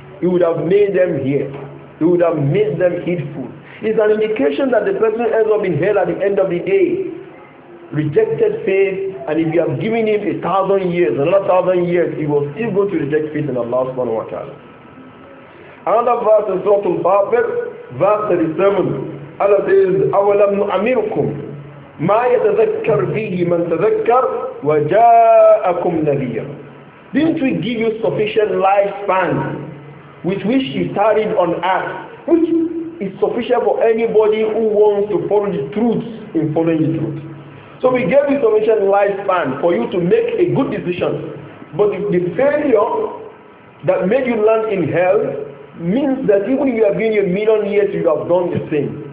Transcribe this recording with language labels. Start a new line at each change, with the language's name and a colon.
English: He would have made them hear. He would have made them heedful. It's an indication that the person ends up in hell at the end of the day, rejected faith, and if you have given him 1,000 years, another 1,000 years, he will still go to reject faith in Allah subhanahu wa ta'ala. Another verse in Surah Al-Baqarah, verse 37, Allah says,
Arabic: أَوَلَمْ نُعَمِرْكُمْ مَا يَتَذَكَّرْ فِيهِ مَنْ تَذَكَّرْ وَجَاءَكُمْ نَذِيرٌ.
English: Didn't we give you sufficient lifespan with which he started on earth, which is sufficient for anybody who wants to follow the truth in following the truth? So we gave you sufficient lifespan for you to make a good decision. But the failure that made you land in hell means that even if you have been 1,000,000 years, you have done the same.